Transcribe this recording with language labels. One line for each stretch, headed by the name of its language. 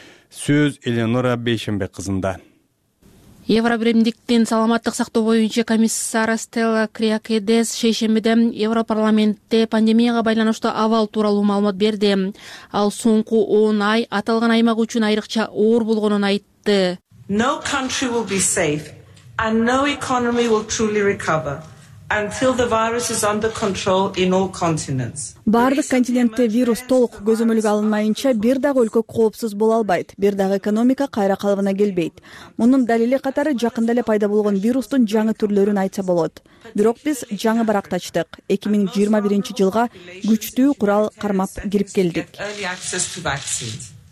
Kyrgyz: Сөз Эленора Бейшенбек кызында. Евробиримдиктин саламаттык сактоо боюнча комиссары Стелла Криакедес шейшембиде Европарламентте пандемияга байланыштуу абал тууралуу маалымат берди. Ал соңку 10 ай аталган аймак үчүн айрыкча оор болгонун айтты.
English: No country will be safe and no economy will truly recover until the virus is under control in all continents.
Kyrgyz: Бардык континентте вирус толук көзөмөлгө алынмайынча бир дагы өлкө коопсуз боло албайт, бир дагы экономика кайра калыбына келбейт. Мунун далили катары жакында эле пайда болгон вирустун жаңы түрлөрүн айтса болот. Бирок биз жаңы баракты ачтык. 2021 жылга күчтүү курал кармап кирип келдик.